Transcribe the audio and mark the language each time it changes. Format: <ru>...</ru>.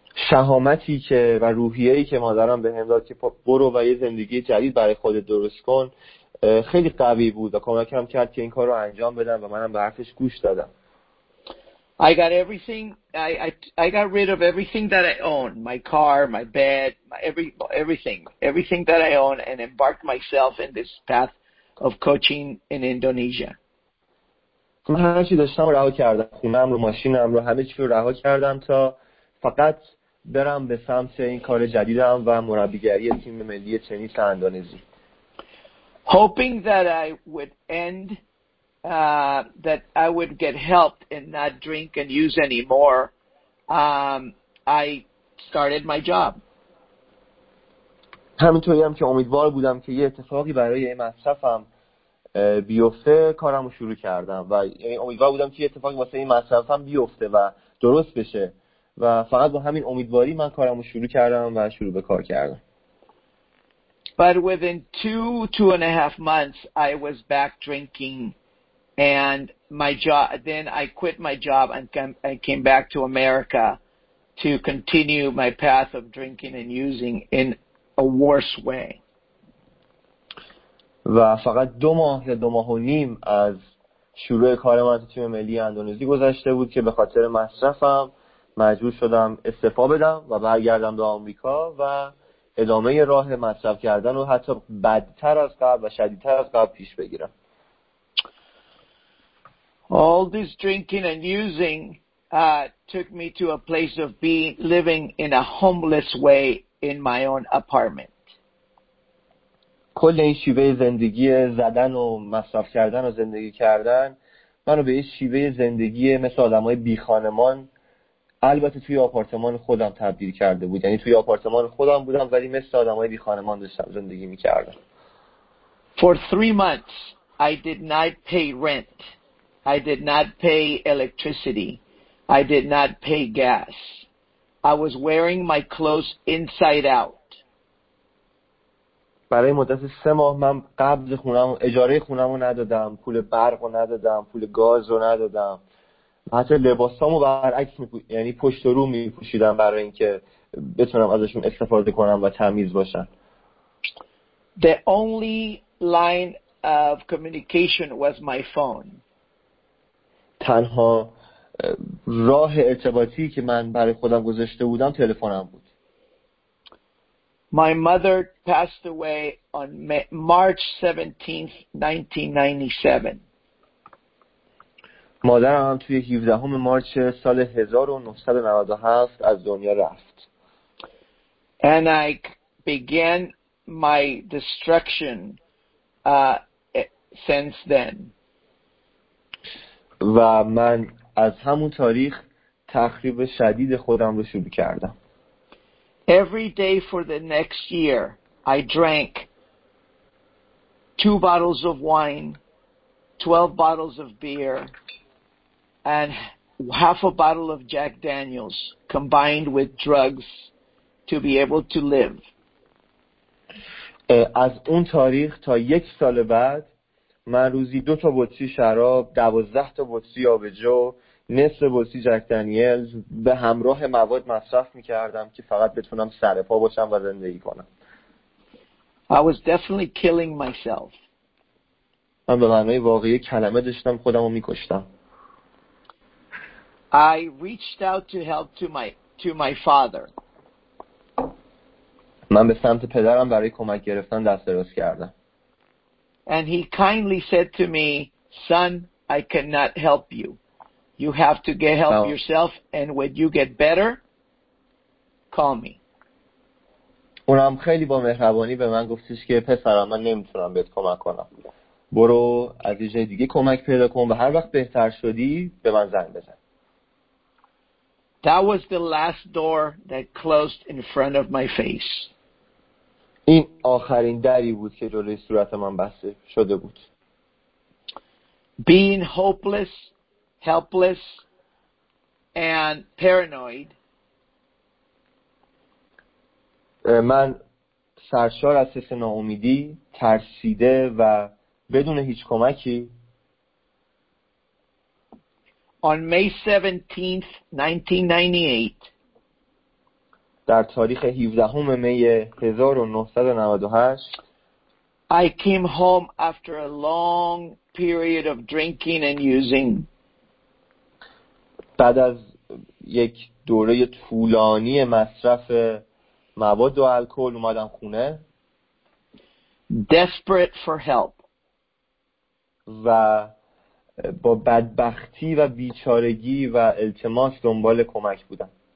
<fa>شهامتی که و روحیه‌ای که مادرم بهم داد که برو و یه زندگی جدید برای خودت درست کن خیلی قوی بود و کمکم کرد که این کار رو انجام بدم و منم به حرفش گوش دادم.</fa> <en>I got everything. I got rid of everything that I own. My car, my bed, everything. Everything that I own and embarked myself in this path of coaching in Indonesia.</en> <fa>من هر چی داشتم رها کردم. خونم رو، ماشینم رو، همه چی رو رها کردم تا فقط برم به سمت این کار جدیدم و مربیگری تیم ملی تنیس اندونزی.</fa> <en>Hoping that I would end that I would get helped and not drink and use anymore, I started my job.</en> <fa>همینطوری هم که امیدوار بودم که یه اتفاقی برای مصرفم بیفته کارم رو شروع کردم و یعنی امیدوار بودم که یه اتفاقی واسه این مصرفم بیفته و درست بشه و فقط با همین امیدواری من کارم رو شروع کردم و شروع به کار کردم.</fa> <en>But within two and a half months, I was back drinking, and my job. Then I quit my job and came back to America to continue my path of drinking and using in a worse way.</en> <fa>و فقط دو ماه یا دو ماه و نیم از شروع کار من تو تیم ملی اندونزی گذشته بود که به خاطر مصرفم مجبور شدم استعفا بدم و برگردم به آمریکا و ادامه راه مصرف کردن و حتی بدتر از قبل و شدیدتر از قبل پیش بگیرم.</fa> <en>All this drinking and using took me to a place of being living in a homeless way in my own apartment.</en> <fa>کل این شیوه زندگی زدن و مصرف کردن و زندگی کردن منو به این شیوه زندگی مثل آدمای بی خانمان البته توی آپارتمان خودم تبدیل کرده بود. یعنی توی آپارتمان خودم بودم ولی مثل آدمای بی خانمان داشتم زندگی می‌کردم.</fa> <en>For 3 months I did not pay rent. I did not pay electricity. I did not pay gas. I was wearing my clothes inside out.</en> <fa>برای مدت 3 ماه من قبض خونم اجاره خونم رو ندادم، پول برق رو ندادم، پول گاز رو ندادم. حتی لباسامو برعکس میپوشیدم، یعنی پشت رو میپوشیدم برای اینکه بتونم ازشون استفاده کنم و تمیز باشن.</fa> <en>The only line of communication was my phone.</en> <fa>تنها راه ارتباطی که من برای خودم گذاشته بودم تلفنم بود.</fa> <en>My mother passed away on March 17th, 1997.</en> <fa>مادرم هم توی 17 مارچ سال 1997 از دنیا رفت.</fa> <en>And I began my destruction since then.</en> <fa>و من از همون تاریخ تخریب شدید خودم رو شروع کردم.</fa> <en>Every day for the next year I drank 2 bottles of wine, 12 bottles of beer, and half a bottle of Jack Daniels combined with drugs to be able to live.</en> <fa>از اون تاریخ تا یک سال بعد من روزی 2 بطری شراب، 12 بطری آبجو، نصف بطری جک دانیلز به همراه مواد مصرف می‌کردم که فقط بتونم سرپا باشم و زندگی کنم.</fa> <en>I was definitely killing myself.</en> <fa>من به معنی واقعی کلمه داشتم خودم رو می‌کشتم.</fa> <en>I reached out to help to my father.</en> <fa>من به سمت پدرم برای کمک گرفتن دست دراز کردم.</fa> <en>And he kindly said to me, "Son, I cannot help you. You have to get help yourself, and when you get better, call me."</en> <fa>اونم خیلی با مهربانی به من گفتش که پسرم من نمیتونم بهت کمک کنم. برو از یه جای دیگه کمک پیدا کن و هر وقت بهتر شدی به من زنگ بزن.</fa> <en>That was the last door that closed in front of my face.</en> <fa>این آخرین دری بود که جلوی صورت من بسته شده بود.</fa> <en>Being hopeless, helpless and paranoid.</en> <fa>من سرشار از حس ناامیدی، ترسیده و بدون هیچ کمکی.</fa> <en>On May 17th, 1998,</en> <fa>در تاریخ 17 می 1998،</fa> <en>I came home after a long period of drinking and using.</en> <fa>بعد از یک دوره طولانی مصرف مواد و الکل اومدم خونه.</fa> <en>Desperate for help.</en> <fa>و با بدبختی و بیچارگی و التماس دنبال کمک بودم.</fa>